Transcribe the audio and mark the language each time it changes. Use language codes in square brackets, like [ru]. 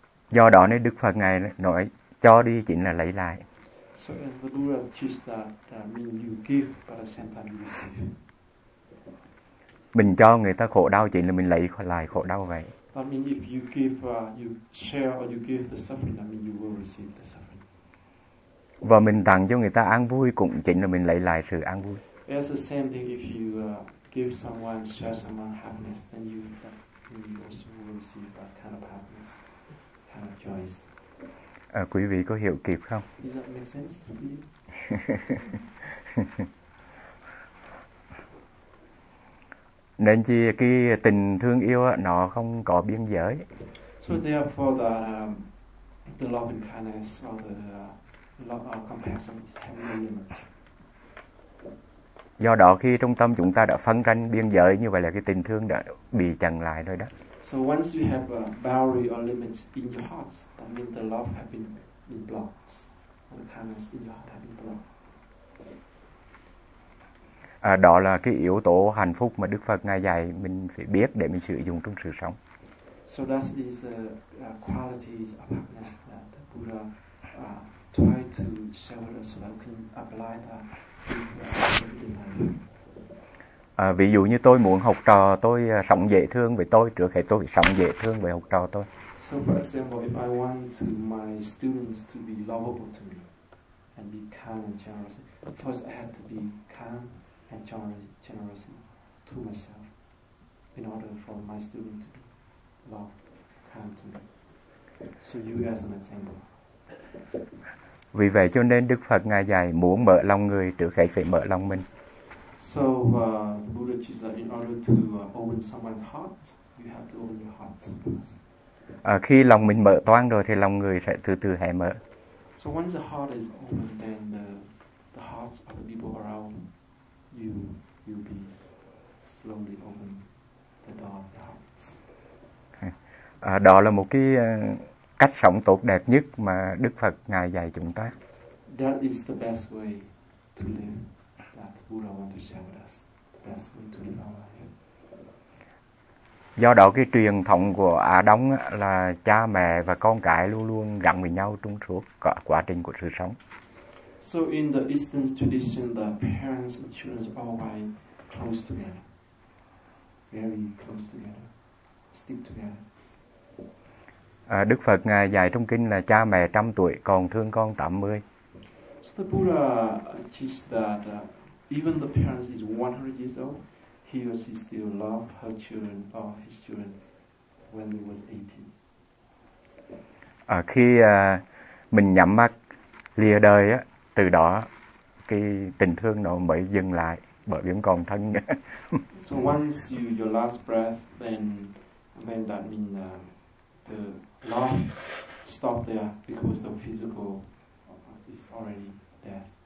[vi] Do đó nên Đức Phật Ngài nói cho đi chính là lấy lại. [en] So as the Buddha teaches that mean you give but at the same time you receive. [vi] Mình cho người ta khổ đau chỉ là mình lấy lại khổ đau vậy. [en] That means if you give, you share or you give the suffering, that means you will receive the suffering. [vi] Và mình tặng cho người ta an vui cũng chỉ là mình lấy lại sự an vui. [en] It's the same thing if you give someone, share someone happiness, then you also will receive that kind of happiness, kind of joy. [vi] Quý vị có hiểu kịp không? [en] Does that make sense to you? [vi] Nên chỉ cái tình thương yêu nó không có biên giới. [en] So therefore, the loving kindness or the love or compassion is having a limit. [vi] Do đó khi trong tâm chúng ta đã phân ranh biên giới như vậy là cái tình thương đã bị chặn lại rồi đó. [en] So once you have a boundary or limits in your heart, that means the love has been blocked. The kindness in your heart has been blocked. [vi] À, đó là cái yếu tố hạnh phúc mà Đức Phật Ngài dạy mình phải biết để mình sử dụng trong sự sống. [en] So that is the qualities of happiness that the Buddha tried to show us so that we can apply that into our everyday life. [vi] À, ví dụ như tôi muốn học trò tôi sống dễ thương với tôi, trước hết tôi phải sống dễ thương với học trò tôi. [en] So for example, if I want to my students to be lovable to me and be kind and generous, first I have to be kind and generous to myself in order for my student to be loved, kind to me. So you as an example. [vi] Vì vậy cho nên Đức Phật Ngài dạy muốn mở lòng người trước hết phải mở lòng mình. [en] So the Buddha teaches that in order to open someone's heart, you have to open your heart first. [vi] Khi lòng mình mở toang rồi thì lòng người sẽ từ từ hé mở. [en] So once the heart is open, then the hearts of the people around you will be slowly open the door of the heart. [vi] Đó là một cái cách sống tốt đẹp nhất mà Đức Phật Ngài dạy chúng ta. [en] That is the best way to live. That Buddha want to share with us. That's going to live our life. [vi] Do đó cái truyền thống của Á Đông là cha mẹ và con cái luôn luôn gắn với nhau trong suốt cả quá trình của sự sống. [en] So in the Eastern tradition, the parents and children are always close together, very close together, stick together. [vi] Đức Phật Ngài dạy trong kinh là cha mẹ 100 tuổi còn thương con 80. [en] So the Buddha teaches that even the parents is 100 years old, he or she still love her children or his children when he was 18. [vi] Khi mình nhắm mắt lìa đời á, từ đó cái tình thương nó mới dừng lại bởi vì còn thân. [en] So once you your last breath, then that means the love stop there because the physical is already dead.